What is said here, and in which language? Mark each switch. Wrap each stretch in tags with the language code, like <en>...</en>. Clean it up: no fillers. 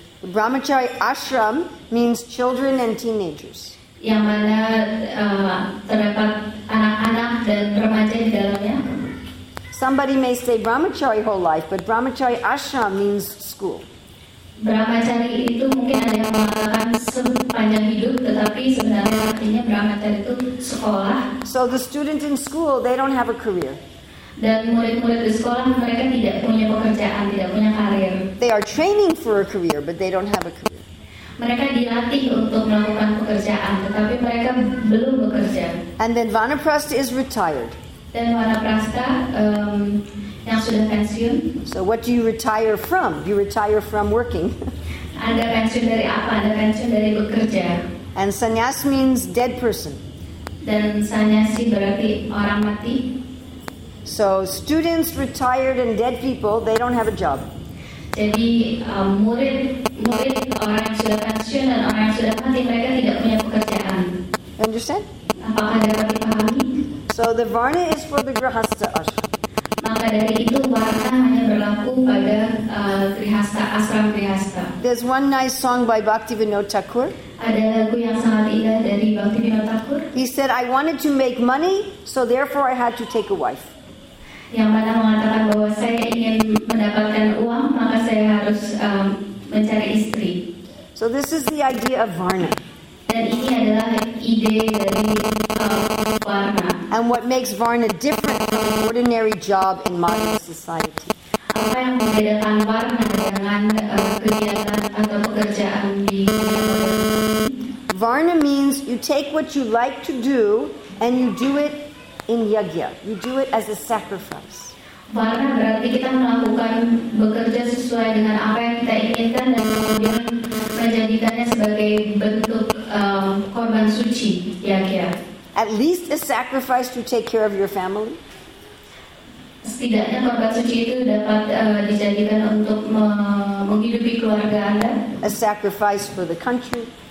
<en>Brahmachari ashram means children and teenagers.</en> <id>Yang mana terdapat anak-anak dan remaja di dalamnya.</id> <en>Somebody may stay brahmachari whole life, but brahmachari ashram means school.</en> <id>Brahmachari itu mungkin ada yang mengatakan sepanjang hidup, tetapi sebenarnya artinya brahmachari itu sekolah.</id> <en>So the student in school, they don't have a career.</en> <id>Dan murid-murid di sekolah mereka tidak punya pekerjaan, tidak punya karir.</id> <en>They are training for a career, but they don't have a career.</en> <id>Mereka dilatih untuk melakukan pekerjaan, tetapi mereka belum bekerja.</id> <en>And then Vanaprastha is retired.</en> <id>Dan Vanaprastha yang sudah pensiun.</id> <en>So what do you retire from? You retire from working.</en> <id>Anda pensiun dari apa? Anda pensiun dari bekerja.</id> <en>And sannyas means dead person.</en> <id>Dan sannyasi berarti orang mati.</id> <en>So students, retired, and dead people, they don't have a job.</en> <id>Jadi murid orang sudah pensiun dan orang yang sudah mati mereka tidak punya pekerjaan.</id> <en>Understand?</en> <id>Apakah anda dapat pahami?</id> <en>So the varna is for the grihastha ashram.</en> <id>Maka dari itu varna hanya berlaku pada grihastha ashram grihastha.</id> <en>There's one nice song by Bhaktivinoda Thakur.</en> <id>Ada lagu yang sangat indah dari Bhaktivinoda Thakur.</id> <en>He said, "I wanted to make money, so therefore I had to take a wife."</en> <id>Yang mana mengatakan bahwa saya ingin mendapatkan uang, maka saya harus mencari istri.</id> <en>So this is the idea of varna.</en> <id>Dan ini adalah ide dari varna.</id> <en>And what makes varna different from an ordinary job in modern society?</en> <id>Apa yang membedakan varna dengan kegiatan atau pekerjaan di</id> <en>varna means you take what you like to do and you do it in yagya. You do it as a sacrifice.</en> <id>Varna berarti kita melakukan bekerja sesuai dengan apa yang kita inginkan dan kemudian menjadikannya sebagai bentuk korban suci yagya.</id> <en>At least a sacrifice to take care of your family.</en> <id>Setidaknya korban suci itu dapat dijadikan untuk menghidupi keluarga Anda.</id> <en>A sacrifice for the country.</en>